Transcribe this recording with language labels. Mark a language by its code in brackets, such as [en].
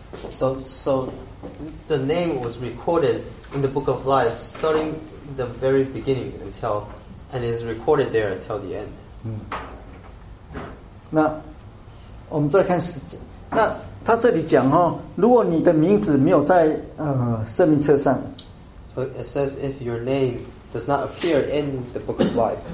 [en] So the name was recorded in the book of life starting the very beginning until and is recorded there until the end. [zh] 那我们再看时间，那 他这里讲，如果你的名字没有在圣名册上， [en] So it says if your name does not appear in the book of life,